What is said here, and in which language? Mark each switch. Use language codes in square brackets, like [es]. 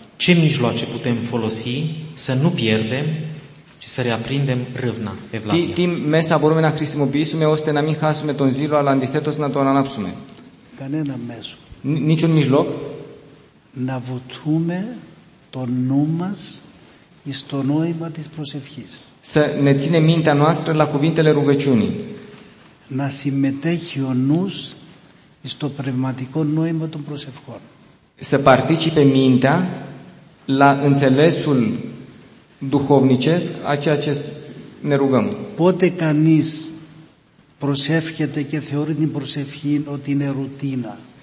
[ro] Ce mijloace putem folosi să nu pierdem, ci să reaprindem râvna, evlavia? [el] Τι μέσα μπορούμε να χρησιμοποιήσουμε ώστε να μην χάσουμε τον ζήλο, αλλά αντιθέτως να τον ανάψουμε? Κανένα μέσο. [ro] Niciun mijloc. [el] Να βουτούμε το νου μας εις το νόημα της προσευχής. [ro] Să ne ține mintea noastră la cuvintele rugăciunii. [el] Να συμμετέχει ο νους εις το πνευματικό νόημα των προσευχών. [ro] Să participe mintea la înțelesul duhovnicesc a ceea ce ne rugăm. [el] Πότε κανείς προσεύχεται και θεωρεί την προσευχή ότι είναι ρουτίνα?